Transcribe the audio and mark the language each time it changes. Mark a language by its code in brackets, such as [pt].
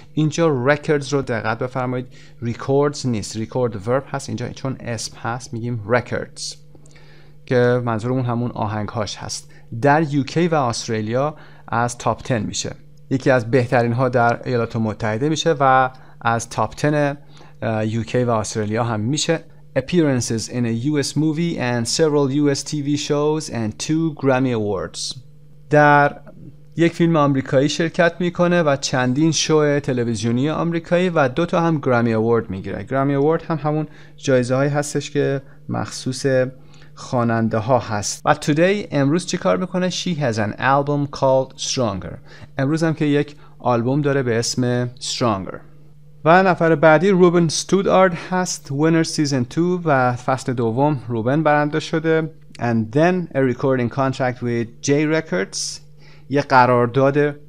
[fa] اینجا رکوردز رو دقت بفرمایید، ریکوردز نیست، ریکورد ورب هست اینجا، چون اسم هست میگیم رکوردز که منظورمون همون آهنگ هاش هست. در یوکی و استرالیا از تاپ 10 میشه، یکی از بهترین ها در ایالات متحده میشه و از تاپ 10 یوکی و استرالیا هم میشه. [en] Appearances in a US movie and several US TV shows and two Grammy awards. [fa] در یک فیلم آمریکایی شرکت میکنه و چندین شو تلویزیونی آمریکایی و دوتا هم گرامی اوورد میگیره. گرامی اوورد هم همون جایزه هایی هستش که مخصوص خواننده ها هست. و today امروز چی کار میکنه؟ [en] She has an album called Stronger. [fa] امروز هم که یک آلبوم داره به اسم Stronger. و نفر بعدی روبن ستودارد هست، [en] Winner season 2 [fa] و فصل دوم روبن برنده شده. [en] And then a recording contract with J Records. [fa] یه قرارداد